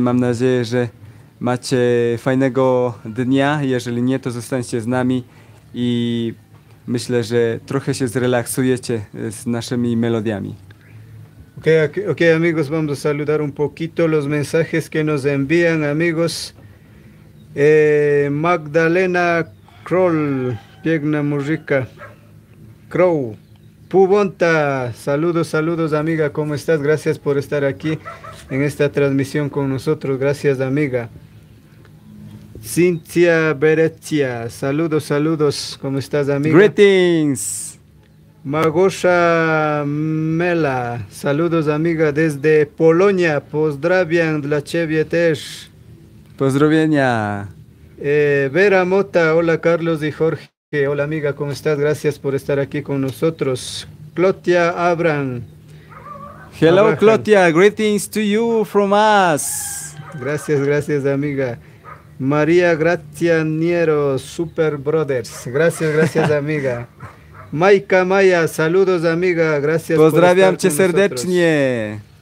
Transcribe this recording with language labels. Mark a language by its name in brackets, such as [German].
[Polish] Mam nadzieję, że macie fajnego dnia. Jeżeli nie, to zostańcie z nami i myślę, że trochę się zrelaksujecie z naszymi melodiami. [Spanish] Okay, amigos, vamos a saludar un poquito los mensajes que nos envían, amigos. Magdalena Kroll, Piegna Murrica, Crow, Pubonta, saludos, amiga, ¿cómo estás? Gracias por estar aquí en esta transmisión con nosotros, gracias, amiga. Cintia Berezia, saludos, ¿cómo estás, amiga? [English] Greetings. [Spanish] Magosha Mela, saludos amiga desde Polonia, [Polish] pozdrawiam dla ciebie też. Pozdrowienia. [Spanish] Vera Mota, hola Carlos y Jorge, hola amiga, ¿cómo estás? Gracias por estar aquí con nosotros. Clotia Abraham. [English] Hello, Abraham. Clotia, greetings to you from us. [Spanish] Gracias amiga. María Gracia Niero, Super Brothers, gracias amiga. Maika Maya, saludos amiga, gracias. [Polish] Pozdrawiam cię serdecznie.